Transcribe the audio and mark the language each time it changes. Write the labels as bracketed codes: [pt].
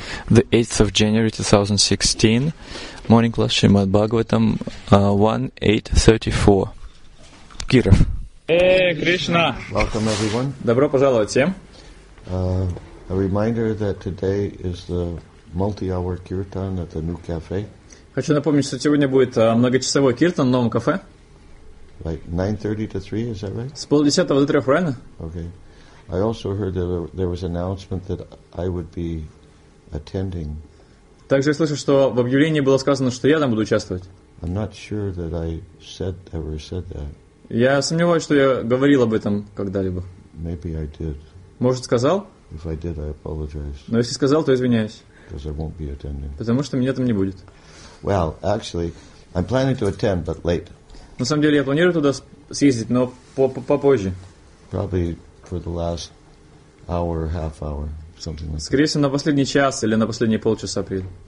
[en] the 8th of January 2016, morning class Shrimad Bhagavatam 1834. [ru] Киров. [en] Hey, Krishna. Welcome, everyone. [ru] Добро пожаловать всем. [en] A reminder that today is the multi-hour kirtan at the new cafe. [ru] Хочу напомнить, что сегодня будет многочасовой киртан в новом кафе. [en] Like 9:30 to 3, is that right? [ru] С полдесятого до трех, правильно? [en] Okay. I also heard that there was an announcement that I would be attending. [ru] Также я слышал, что в объявлении было сказано, что я там буду участвовать. [en] I'm not sure that I said ever said that. [ru] Я сомневаюсь, что я говорил об этом когда-либо. [en] Maybe I did. [ru] Может, сказал? [en] If I did, I apologize. [ru] Но если сказал, то извиняюсь. [en] Because I won't be attending. [ru] Потому что меня там не будет. [en] Well, actually, I'm planning to attend, but late. [ru] На самом деле, я планирую туда съездить, но попозже. [en] Probably for the last hour or half hour, something like that. [ru] Скорее всего, на последний час или на последние полчаса приеду.